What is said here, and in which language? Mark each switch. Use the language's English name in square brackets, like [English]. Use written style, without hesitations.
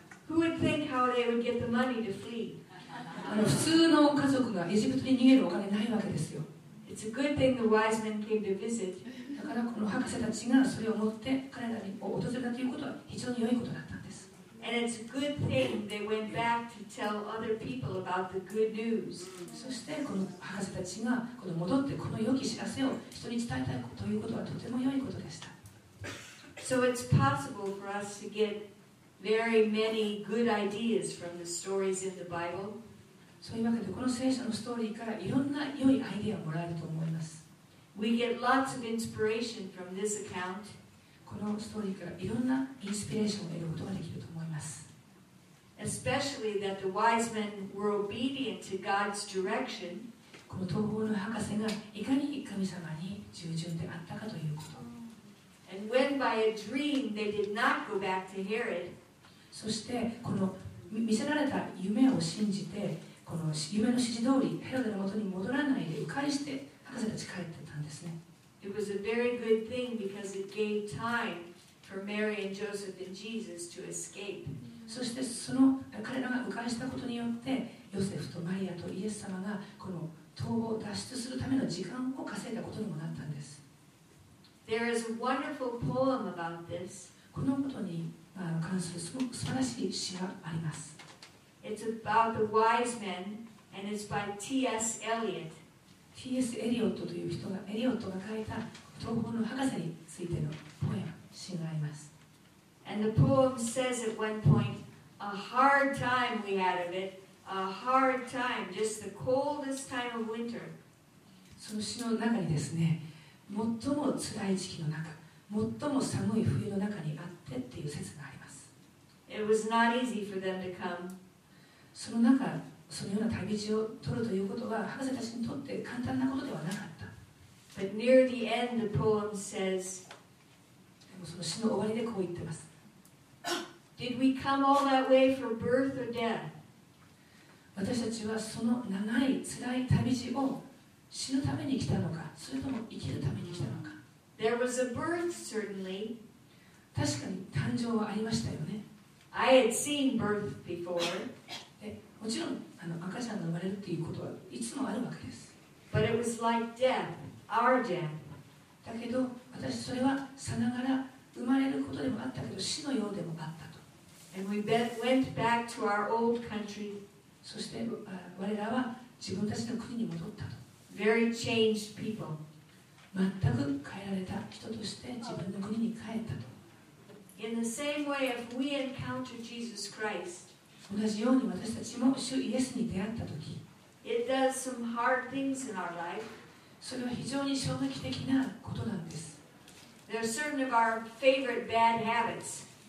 [English] Who would think how they would get the money to flee? [Japanese] 普通の家族がエジプトに逃げるお金ないわけですよ。 [English] It's a good thing the wise men came to visit. [Japanese] だからこの博士たちがそれを持って彼らに訪れたということは非常に良いことだったんです。 [English] And it's a good thing they went back to tell other people about the good news. [Japanese] そしてこの博士たちがこの戻ってこの良き知らせを人に伝えたいということはとても良いことでした。 [English] So it's possible for us to get very many good ideas from the stories in the Bible. [Japanese] そういうわけでこの聖書のストーリーからいろんな良いアイデアをもらえると思います。 [English] We get lots of inspiration from this account. [Japanese] このストーリーからいろんなインスピレーションを得ることができると思います。 [English] Especially that the wise men were obedient to God's direction. [Japanese] この東方の博士がいかに神様に従順であったかということ。 [English] And when by a dream they did not go back to Herod. [Japanese] そしてこの見せられた夢を信じてこの夢の指示通りヘロデの元に戻らないで迂回して博士たち帰ってたんですね。 [English] It was a very good thing because it gave time for Mary and Joseph and Jesus to escape. [Japanese] そしてその彼らが迂回したことによってヨセフとマリアとイエス様がこの逃亡脱出するための時間を稼いだことにもなったんです。 [English] There is a wonderful poem about this. [Japanese] このことに関するすごく素晴らしい詩があります。 [English] It's about the wise men and it's by T.S. Eliot. T.S. [Japanese] エリオットという人がエリオットが書いた東方の博士についてのポエム、詩があります。 [English] And the poem says at one point, a hard time we had of it, a hard time, just the coldest time of winter. [Japanese] その詩の中にですね、最も辛い時期の中、最も寒い冬の中にあってっていう説があります。 [English] It was not easy for them to come. [Japanese] その中、そのような旅路を取るということは博士たちにとって簡単なことではなかった。 [English] But near the end, the poem says, [Japanese] でもその詩の終わりでこう言ってます。 [English] Did we come all that way for birth or death? [Japanese] 私たちはその長い辛い旅路を死ぬために来たのか、それとも生きるために来たのか。 [English] There was a birth, certainly. [Japanese] 確かに誕生はありましたよね。 [English] I had seen birth before. [Japanese] もちろん赤ちゃんが生まれるということはいつもあるわけです。 [English] But it was like death, our death. [Japanese] だけど私それはさながら生まれることでもあったけど死のようでもあったと。 [English] And we went back to our old country. [Japanese] そして我らは自分たちの国に戻ったと。 [English] Very changed people. [Japanese] 全く変えられた人として自分の国に帰ったと。 [English] In the same way, if we encounter Jesus Christ, [Japanese] 同じように私たちも主イエスに出会ったとき、 [English] it does some hard things in our life. [Japanese] それは非常に衝撃的なことなんです。 [English] There are certain of our favorite bad habits.